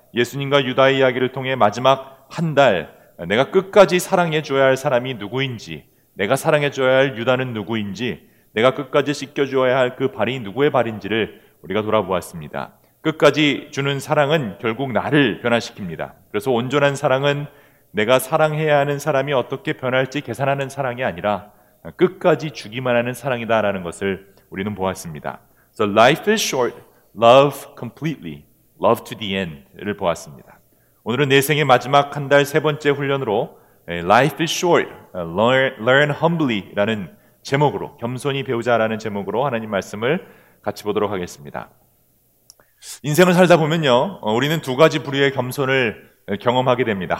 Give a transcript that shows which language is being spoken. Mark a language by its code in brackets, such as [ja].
[ko] 예수님과 유다의 이야기를 통해 마지막 한 달 내가 끝까지 사랑해 줘야 할 사람이 누구인지, 내가 사랑해 줘야 할 유다는 누구인지, 내가 끝까지 씻겨줘야 할 그 발이 누구의 발인지를 우리가 돌아보았습니다. 끝까지 주는 사랑은 결국 나를 변화시킵니다. 그래서 온전한 사랑은 내가 사랑해야 하는 사람이 어떻게 변할지 계산하는 사랑이 아니라 끝까지 주기만 하는 사랑이다 라는 것을 우리는 보았습니다. [en] So life is short, love completely, love to the end를 [ko] 보았습니다. 오늘은 내 생의 마지막 한 달 세 번째 훈련으로 [en] Life is short, learn humbly [ko] 라는 제목으로, 겸손히 배우자라는 제목으로 하나님 말씀을 같이 보도록 하겠습니다. 인생을 살다 보면요, 우리는 두 가지 부류의 겸손을 경험하게 됩니다.